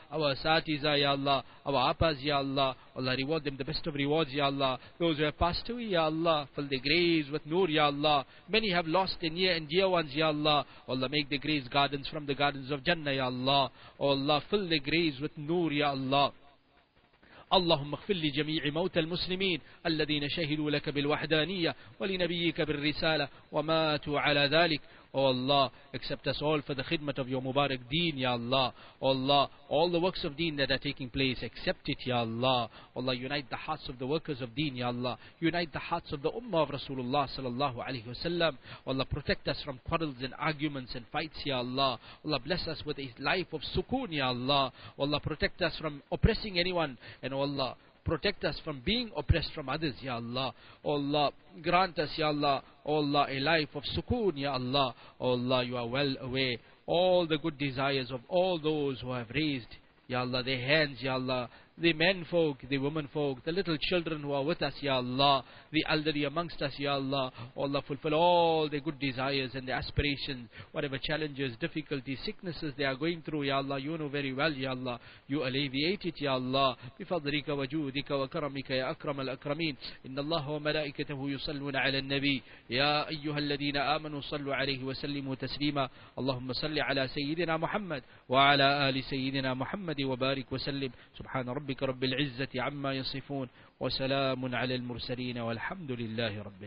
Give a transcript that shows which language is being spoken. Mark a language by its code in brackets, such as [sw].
[en] Our Asatiza, Ya Allah. Our Apas, Ya Allah. O Allah, reward them the best of rewards, Ya Allah. Those who have passed away, Ya Allah, fill their graves with noor, Ya Allah. Many have lost their near and dear ones, Ya Allah. O Allah, make their graves gardens from the gardens of Jannah, Ya Allah. O Allah, fill their graves with noor, Ya Allah. [ar] اللهم اغفر لجميع موتى المسلمين الذين شهدوا لك بالوحدانية ولنبيك بالرسالة وماتوا على ذلك. [en] O Allah, accept us all for the khidmat of your Mubarak deen, Ya Allah. O Allah, all the works of deen that are taking place, accept it, Ya Allah. O Allah, unite the hearts of the workers of deen, Ya Allah. Unite the hearts of the ummah of Rasulullah sallallahu alayhi wa sallam. O Allah, protect us from quarrels and arguments and fights, Ya Allah. O Allah, bless us with a life of sukoon, Ya Allah. O Allah, protect us from oppressing anyone. And O Allah, protect us from being oppressed from others, Ya Allah. O Allah, grant us, Ya Allah, O Allah, a life of sukoon, Ya Allah. O Allah, you are well aware all the good desires of all those who have raised, Ya Allah, their hands, Ya Allah, the men folk, the women folk, the little children who are with us, Ya Allah, the elderly amongst us, Ya Allah. O Allah, fulfill all their good desires and their aspirations, whatever challenges, difficulties, sicknesses they are going through, Ya Allah, you know very well, Ya Allah, you alleviate it, Ya Allah. [ar] بفضلك وجودك وكرمك يا أكرم الأكرمين إن الله وملائكته يصلون على النبي يا أيها الذين آمنوا صلوا عليه وسلموا تسليما اللهم صل على سيدنا محمد وعلى آل سيدنا محمد وبارك وسلم سبحان ربك رب العزة عما يصفون وسلام على المرسلين والحمد لله رب العالمين.